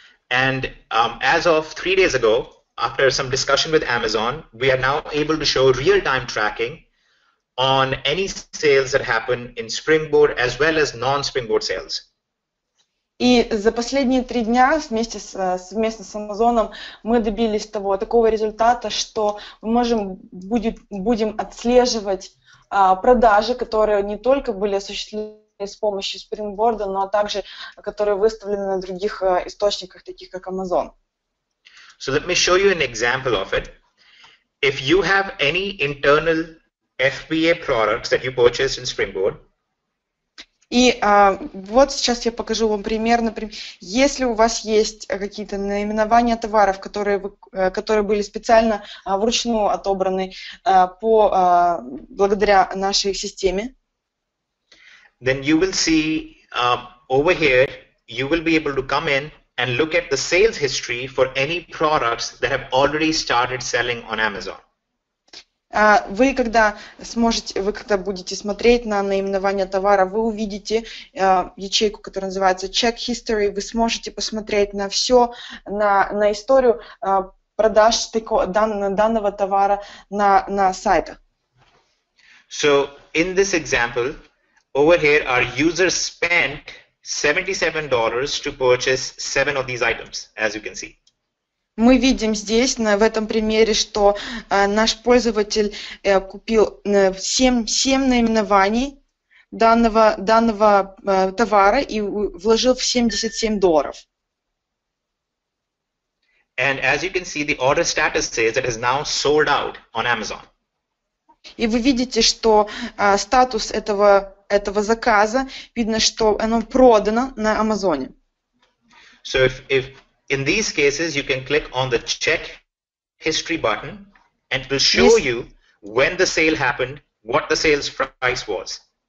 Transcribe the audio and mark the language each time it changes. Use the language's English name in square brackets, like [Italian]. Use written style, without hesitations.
[English] And as of 3 days ago, after some discussion with Amazon, we are now able to show real-time tracking on any sales that happen in Springboard as well as non-Springboard sales. [Russian] И за последние три дня вместе с, совместно с Амазоном мы добились того, такого результата, что мы можем, будем отслеживать продажи, которые не только были осуществлены с помощью Springboard, но также которые выставлены на других источниках, таких как Amazon. [English] So let me show you an example of it. If you have any internal FBA products that you purchased in Springboard, [Russian] и вот сейчас я покажу вам пример, например, если у вас есть какие-то наименования товаров, которые, которые были специально вручную отобраны по, благодаря нашей системе, [English] then you will see over here, you will be able to come in and look at the sales history for any products that have already started selling on Amazon. [Russian] Вы когда сможете, вы когда будете смотреть на наименование товара, вы увидите ячейку, которая называется Check History, вы сможете посмотреть на все, на историю продаж данного товара на сайтах. [English] So, in this example, over here our users spent $77 to purchase 7 of these items, as you can see. [Russian] Мы видим здесь, в этом примере, что наш пользователь купил 7 наименований данного товара и вложил в $77. [English] And as you can see, the order status says it is now sold out on Amazon. [Russian] И вы видите, что статус этого заказа, видно, что оно продано на Амазоне. [English] So if in these cases, you can click on the Check History button, and it will show you when the sale happened, what the sales price was.